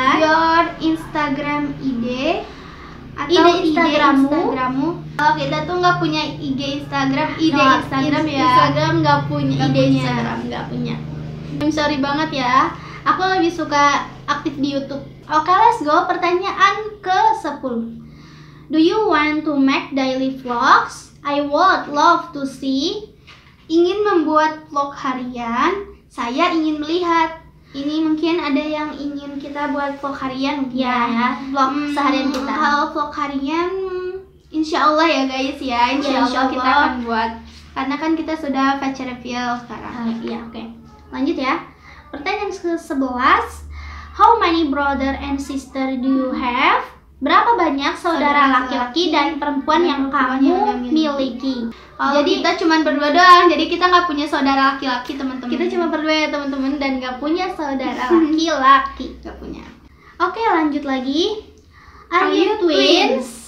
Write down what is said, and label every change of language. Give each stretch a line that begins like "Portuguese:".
English: Your Instagram ID
Indonesian: atau ide Instagrammu? Oh, kita tuh nggak punya IG Instagram, ide no, Instagram ya. Instagram nggak punya, ide Instagram nggak punya.
English: I'm sorry
Indonesian: banget ya. Aku lebih suka aktif di YouTube.
English: Oke, okay, let's go.
Indonesian: Pertanyaan ke-10.
English: Do you want to make daily vlogs? I would love to see.
Indonesian: Ingin membuat vlog harian? Saya ingin melihat. Ini mungkin ada yang ingin kita buat vlog harian mungkin ya, ya. Vlog seharian kita. Kalau vlog harian, insya Allah ya guys ya. Insya Allah kita akan buat. Karena kan kita sudah fetch reveal sekarang. Iya, oke. Okay. Lanjut ya. Pertanyaan ke-11.
English: How many brother and sister do you have?
Indonesian: Berapa banyak saudara laki-laki dan perempuan yang kamu miliki? Jadi kita cuma berdua doang, jadi kita nggak punya saudara laki-laki, teman-teman. Kita cuma berdua ya, teman-teman, dan nggak punya saudara laki-laki. Nggak punya.
English: Oke,
Indonesian: lanjut lagi.
English: Are you twins?